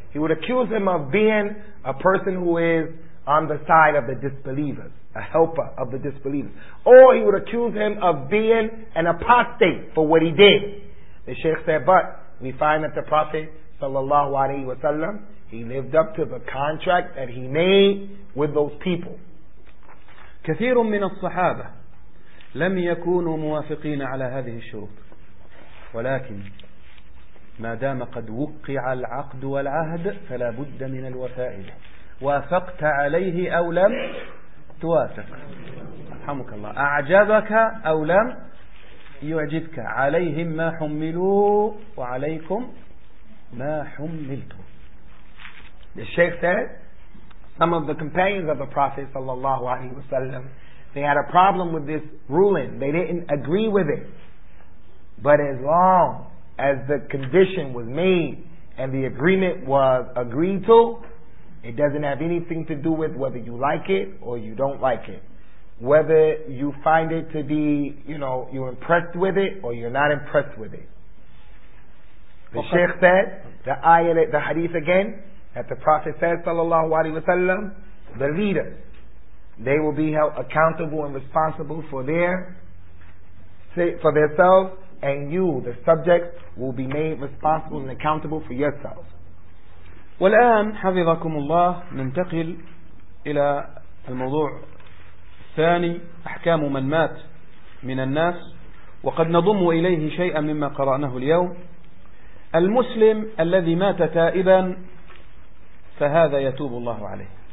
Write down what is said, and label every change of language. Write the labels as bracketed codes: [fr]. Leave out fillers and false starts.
[en] He would accuse him of being a person who is on the side of the disbelievers, a helper of the disbelievers. Or he would accuse him of being an apostate for what he did. The Sheikh said, but we find that the Prophet sallallahu alaihi wasallam, he lived up to the contract that he made with those people. [ar] كثير من الصحابة لم يكونوا موافقين على هذه الشروط، ولكن ما دام قد وقع العقد والعهد فلا بد من الوفاء. وافقت عليه أو لم توافق، رحمك الله، أعجبك أو لم يعجبك، عليهم ما حملوا وعليكم ما حملتم. [en] The Sheikh said some of the companions of the Prophet sallallahu alaihi wasallam, they had a problem with this ruling. They didn't agree with it. But as long as the condition was made and the agreement was agreed to, it doesn't have anything to do with whether you like it or you don't like it, whether you find it to be, you know, you're impressed with it or you're not impressed with it. The Sheikh said, the ayah, the hadith again, that the Prophet said sallallahu alayhi wa sallam, the leaders, they will be held accountable and responsible for themselves, and you, the subject, will be made responsible and accountable for yourself. [ar] والآن حفظكم الله ننتقل إلى الموضوع الثاني، أحكام من مات من الناس، وقد نضم إليه شيئا مما قرأناه اليوم. المسلم الذي مات تائبا فهذا يتوب الله عليه.